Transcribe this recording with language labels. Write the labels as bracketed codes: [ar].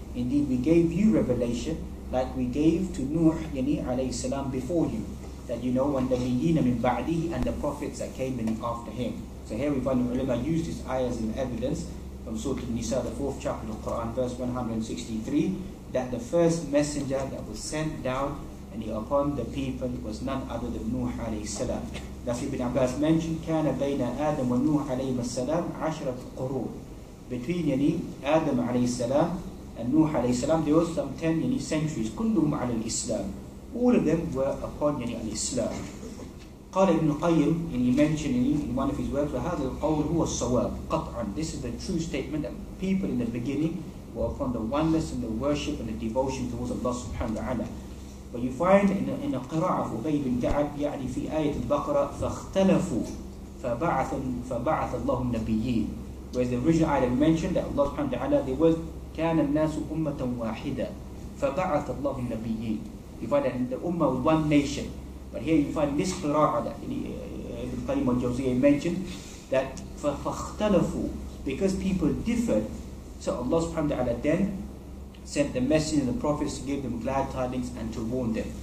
[en] Indeed, we gave you revelation like we gave to Nuh alayhi salam before you, that wa nabiyina min ba'dihi, and the prophets that came in after him. So here we find the ulama used this ayah as an evidence from Surah An-Nisa, the fourth chapter of the Quran, verse 163, that the first messenger that was sent down and upon the people was none other than Nuh alayhi salam. Thus Ibn Abbas mentioned, [ar] كَانَ بَيْنَ آدَمْ وَنُوحَ عَلَيْهِمَ السَّلَامُ عَشْرَةُ قُرُونَ. [en] Between Adam alayhi salam and Nuh alayhi salam, there was some 10 centuries. [ar] كُلُّهُمْ عَلَى الْإِسْلَامِ. [en] All of them were upon al-Islam. [ar] قال ابن قيم, [en] and he mentioned in one of his works, [ar] وَهَذَا الْقَوْلُ هُوَ الصَّوَابُ قَطْعًا. [en] This is the true statement that people in the beginning were upon the oneness and the worship and the devotion towards Allah subhanahu wa ta'ala. But you find in a [ar] قِرَعَ فُبَيْ بِنْ كَعَبْ, يعني في آية البقرة, فَاخْتَلَفُوا فَبَعَثَ اللَّهُ النَّبِيِّينَ. [en] Whereas the original item mentioned that Allah subhanahu wa ta'ala, there was, [ar] كَانَ النَّاسُ أُمَّةً وَاحِدًا فَبَعَثَ اللَّهُ النَّبِيِّينَ. [en] You find that the ummah was one nation. But here you find this qira'ah that Ibn Qayyim al-Jawziyyah mentioned, that فَاخْتَلَفُوا, because people differed, so Allah subhanahu wa ta'ala then sent the messenger and the prophets to give them glad tidings and to warn them.